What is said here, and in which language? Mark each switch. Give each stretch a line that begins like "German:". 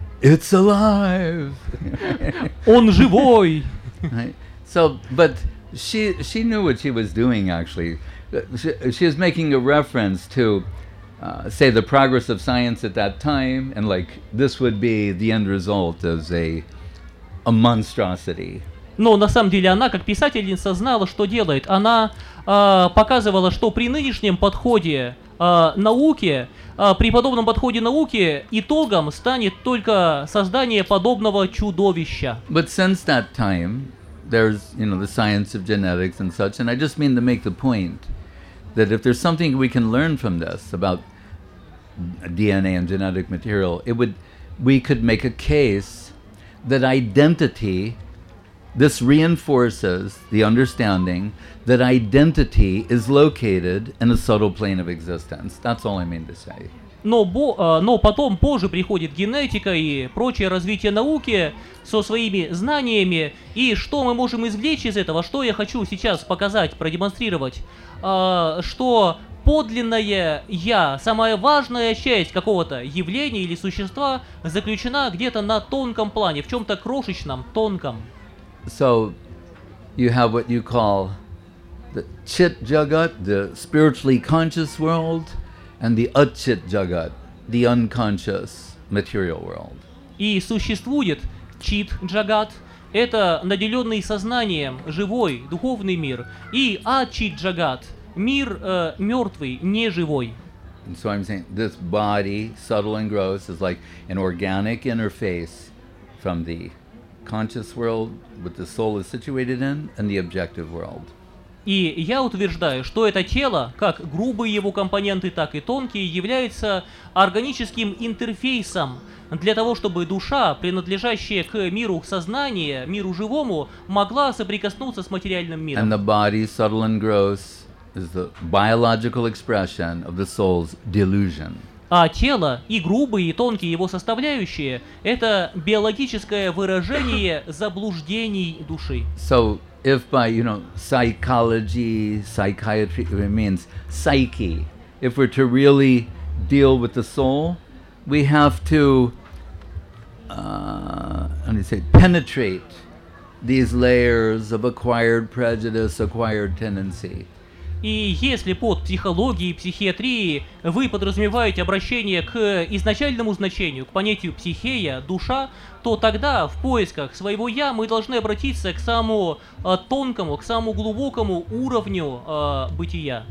English: It's alive.
Russian: Он живой.
English: Right. So, but she knew what she was doing. Actually, she was making a reference to, say, the progress of science at that time, and like this would be the end result as a monstrosity.
Russian: Но на самом деле она, как писательница, знала, что делает. Она показывала, что при нынешнем подходе науки, при подобном подходе науки, итогом станет только создание подобного чудовища.
English: But since that time, there's, you know, the science of genetics and such, and I just mean to make the point that if there's something we can learn from this about DNA and genetic material, it would, we could make a case that identity, this reinforces the understanding that identity is located in a subtle plane of existence. That's all I mean to say.
Russian: Но потом, позже приходит генетика и прочее развитие науки со своими знаниями, и что мы можем извлечь из этого, что я хочу сейчас показать, продемонстрировать, что подлинное «я», самая важная часть какого-то явления или существа заключена где-то на тонком плане, в чем-то крошечном, тонком.
English: So, you have what you call the chit jagat, the spiritually conscious world, and the achit jagat, the unconscious material world.
Russian: И существует чит джагат, это наделенный сознанием живой духовный мир, и ачит джагат, мир мертвый, неживой.
English: And so I'm saying this body, subtle and gross, is like an organic interface from the conscious world, what the soul is situated in, and the objective world.
Russian: И я утверждаю, что это тело, как грубые его компоненты, так и тонкие, является органическим интерфейсом для того, чтобы душа, принадлежащая к миру сознания, миру живому, могла соприкоснуться с материальным миром.
English: And the body, subtle and gross, is the biological expression of the soul's delusion.
Russian: А тело и грубые и тонкие его составляющие – это биологическое выражение заблуждений души.
English: So, if by, you know, psychology, psychiatry, it means psyche. If we're to really deal with the soul, we have to, how do you say, penetrate these layers of acquired prejudice, acquired tendency.
Russian: И если под психологией и психиатрией вы подразумеваете обращение к изначальному значению, к понятию психея, душа, то тогда в поисках своего «я» мы должны обратиться к самому тонкому, к самому глубокому уровню бытия.